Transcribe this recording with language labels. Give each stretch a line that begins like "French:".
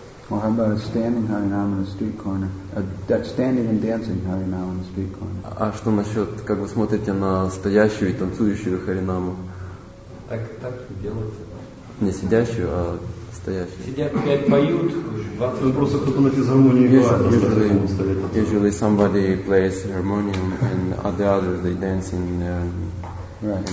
English: Well, how about a standing harinam in a street corner? Standing and dancing harinam in a street corner.
Russian: А что насчет, как вы смотрите на стоящую и танцующую харинаму? Так и делается. Не сидящую, а стоящую. Сидят, опять поют. Просто кто-то на физгармонии играет.
English: Usually somebody plays harmonium and the others they dance in right.